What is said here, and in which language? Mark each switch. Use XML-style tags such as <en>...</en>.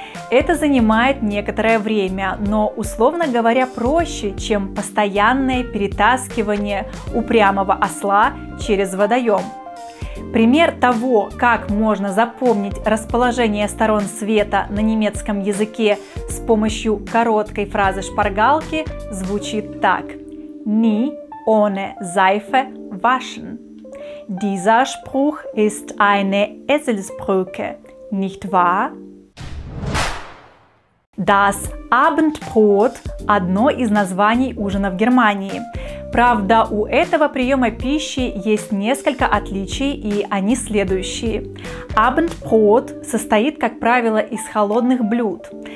<ru>Это занимает некоторое время, но, условно говоря, проще, чем постоянное перетаскивание упрямого осла через водоем. Пример того, как можно запомнить расположение сторон света на немецком языке с помощью короткой фразы-шпаргалки, звучит так.</ru> <de>Ни ohne Seife waschen. Dieser Spruch ist eine Eselsbrücke, nicht wahr?</de> <ru>Das Abendbrot – одно из названий ужина в Германии. Правда, у этого приема пищи есть несколько отличий, и они следующие. Abendbrot состоит, как правило, из холодных блюд.</ru>